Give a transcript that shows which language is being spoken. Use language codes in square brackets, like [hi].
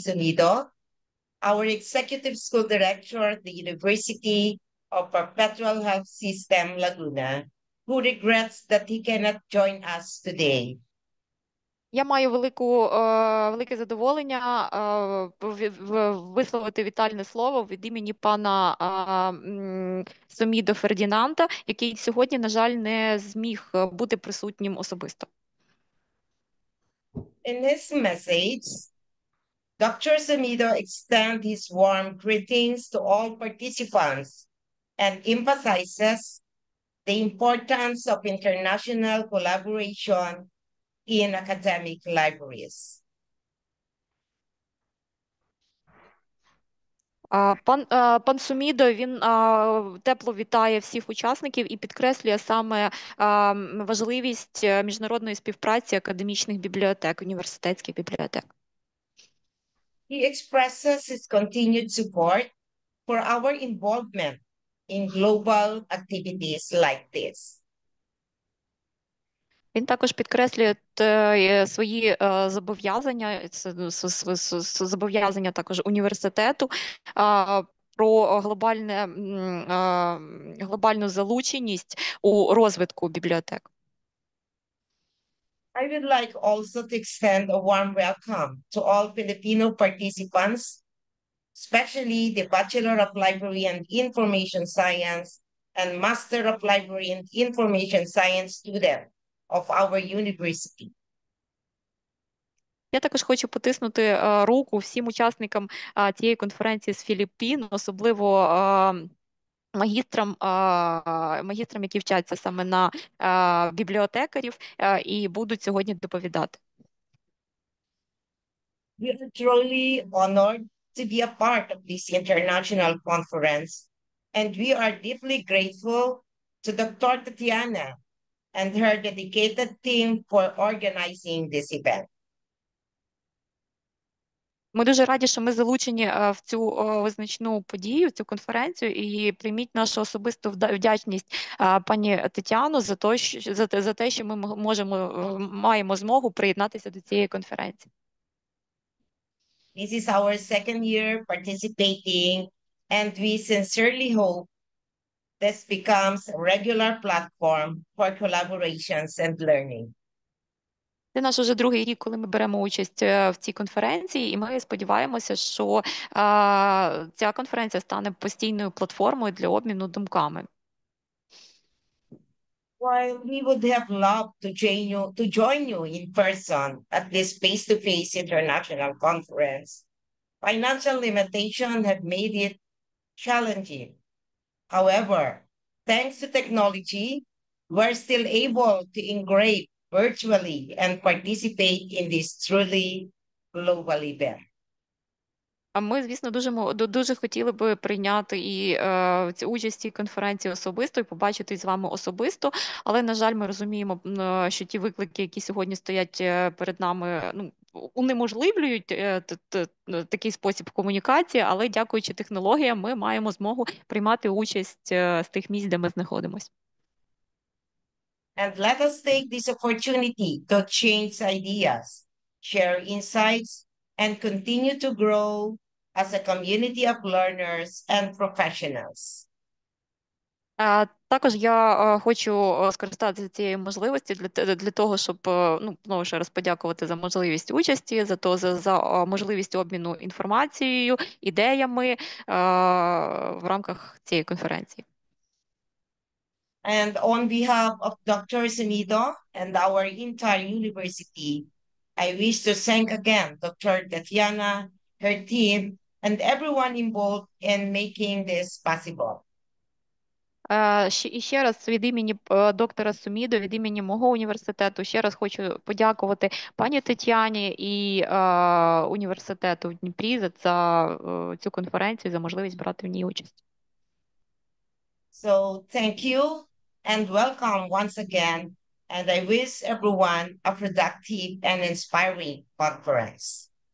[en] Somido, our Executive School Director at the University of Perpetual Health System Laguna, who regrets that he cannot join us today. [uk] Я маю велике задоволення висловити вітальне слово від імені пана Сомідо Фердінанда, який сьогодні, на жаль, не зміг бути присутнім особисто. [en] In his message, Dr. Somido extends his warm greetings to all participants and emphasizes the importance of international collaboration in academic libraries. [uk] Пан Сомідо, він тепло вітає всіх учасників і підкреслює саме важливість міжнародної співпраці академічних бібліотек, університетських бібліотек. [en] He expresses his continued support for our involvement in global activities like this. [uk] Він також підкреслює свої зобов'язання, зобов'язання також університету про глобальну залученість у розвитку бібліотек. [en] I would like also to extend a warm welcome to all Filipino participants, especially the Bachelor of Library and Information Science and Master of Library and Information Science students of our university. [uk] Я також хочу потиснути руку всім учасникам цієї конференції з Філіппін, особливо магістрам, які вчаться саме на бібліотекарів і будуть сьогодні доповідати. [en] We are truly honored to be a part of this international conference, and we are deeply grateful to Dr. Татьяна and her dedicated team for organizing this event. [uk] Ми дуже раді, що ми залучені в цю визначну подію, цю конференцію, і прийміть нашу особисту вдячність пані Тетяну за те, що за те, що ми можемо маємо змогу приєднатися до цієї конференції. [en] This is our second year participating, and we sincerely hope this becomes a regular platform for collaborations and learning. [uk] Це наш уже другий рік, коли ми беремо участь в цій конференції, і ми сподіваємося, що ця конференція стане постійною платформою для обміну думками. [en] While we would have loved to join you in person at this face-to-face international conference, financial limitations have made it challenging. However, thanks to technology, we're still able to engage virtually and participate in this truly global event. [uk] А ми, звісно, дуже хотіли би прийняти і цю участь цій конференції особисто, і побачити з вами особисто. Але, на жаль, ми розуміємо, що ті виклики, які сьогодні стоять перед нами, унеможливлюють такий спосіб комунікації. Але, дякуючи технологіям, ми маємо змогу приймати участь з тих місць, де ми знаходимось. [en] And let us take this opportunity to change ideas, share insights, and continue to grow as a community of learners and professionals. [uk] Також я хочу скористатися цією можливістю для того, щоб знову ж раз подякувати за можливість участі, за можливість обміну інформацією, ідеями в рамках цієї конференції. [en] And on behalf of Dr. Somido and our entire university, I wish to thank again Dr. Tatiana, her team, and everyone involved in making this possible. [uk] Ще раз від імені доктора Somido, від імені мого університету, ще раз хочу подякувати пані Тетяні і університету в Дніпрі за цю конференцію, за можливість брати в ній участь. [en] So, thank you and welcome once again. And I wish everyone a productive and inspiring conference.